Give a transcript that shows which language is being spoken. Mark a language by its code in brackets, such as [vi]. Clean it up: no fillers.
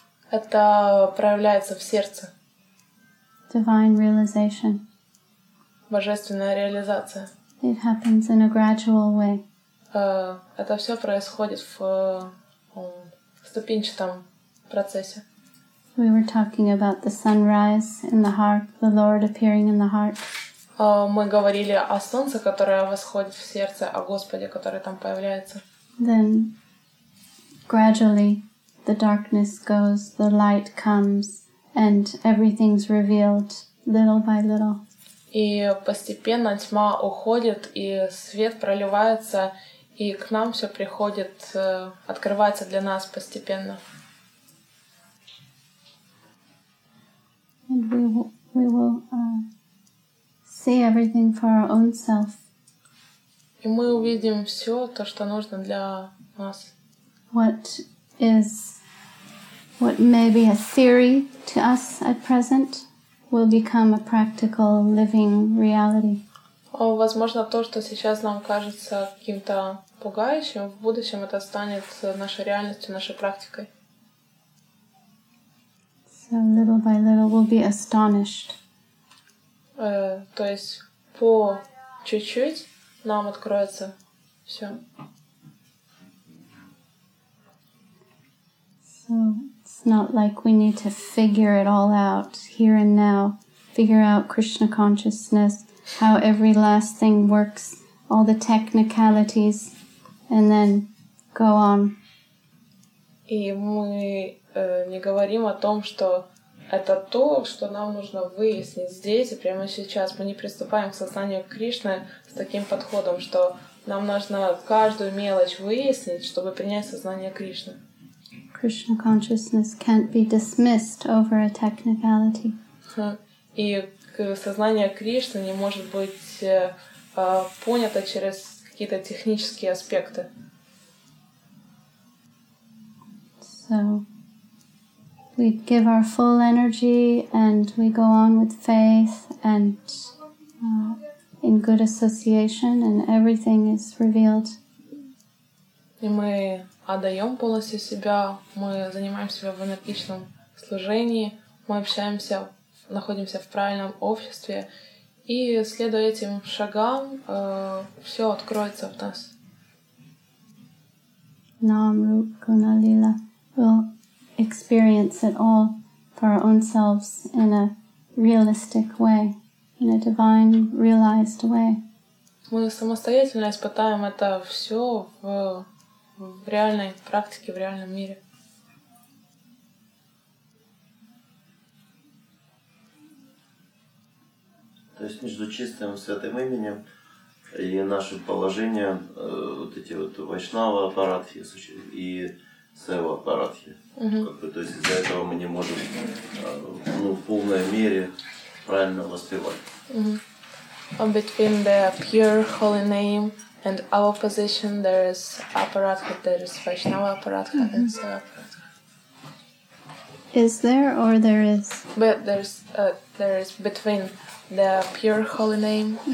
[ru] Это проявляется в сердце. [en] Divine realization. [ru] Божественная реализация. [en] It happens in a gradual way. [ru] Это все происходит в ступенчатом процессе. [en] We were talking about the sunrise in the heart, the Lord appearing in the heart. [ru] Мы говорили о солнце, которое восходит в сердце, о Господе, который там появляется. [en] Then gradually the darkness goes, the light comes, and everything's revealed little by little. [ru] И постепенно тьма уходит, и свет проливается. И к нам все приходит, открывается для нас постепенно. [en] And we will see everything for our own self. [ru] И мы увидим все то, что нужно для нас. [en] What may be a theory to us at present will become a practical living reality. [ru] Возможно, то, что сейчас нам кажется каким-то пугающим, в будущем это станет нашей реальностью, нашей практикой. [en] So little by little we'll be astonished. [ru] То есть по чуть-чуть нам откроется все. [en] So it's not like we need to figure it all out here and now, figure out Krishna consciousness, how every last thing works, all the technicalities. And then go on. [ru] И мы не говорим о том, что Это то, что нам нужно выяснить здесь и прямо сейчас. Мы не приступаем к сознанию Кришны с таким подходом, что нам нужно каждую мелочь выяснить, чтобы принять сознание Кришны. [en] Krishna consciousness can't be dismissed over a technicality. [ru] И сознание Кришны не может быть понято через какие-то технические аспекты. [en] So we give our full energy and we go on with faith and in good association and everything is revealed. [ru] И мы отдаем полностью себя, мы занимаемся в энергичном служении, мы общаемся, находимся в правильном обществе, и следуя этим шагам, все откроется в нас. [en] Нам Гуналила will experience it all for our own selves in a realistic way, in a divine realized way. [ru] Мы самостоятельно испытаем это все в реальной практике, в реальном мире. То есть между чистым святым именем и нашим положением вот эти вот вайшнава аппаратхи и сева аппаратхи. Угу. То есть из-за этого мы не можем в полной мере правильно воспевать. Угу. [en] Between the pure holy name and our position, there is aparatha, there is Vaishnava aparatha, mm-hmm. and Seva aparatha. Is there or there is? But there is between the pure holy name mm-hmm.